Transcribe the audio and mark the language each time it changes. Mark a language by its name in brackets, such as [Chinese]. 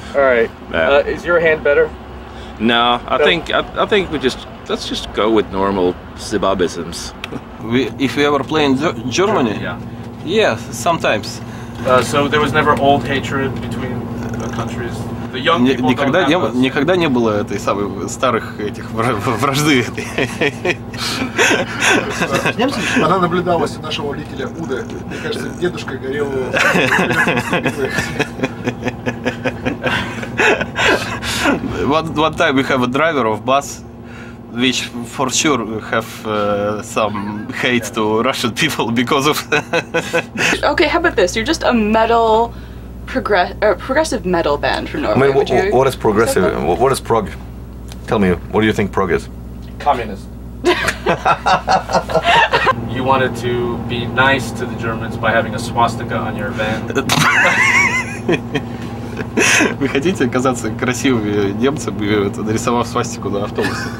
[English] All right. Is your hand better? No. I think we just, let's just go with normal Zebubisms. If we ever play in Germany? Yeah. Yeah, sometimes. So there was never old hatred between countries? [Russian] Никогда не было этой самой старых этих вражды. Она наблюдалась у нашего водителя Уда. Мне кажется, дедушка горел. [English] One time we have a driver of bus, which for sure have some hate to Russian people because of. Okay, how about this? You're just a metal. Progressive metal band from Norway. I mean, what is progressive? What is prog? Tell me, what do you think prog is? Communist. You wanted to be nice to the Germans by having a swastika on your van. [Russian] Вы хотите оказаться красивыми немцами, нарисовав свастику на автобусе?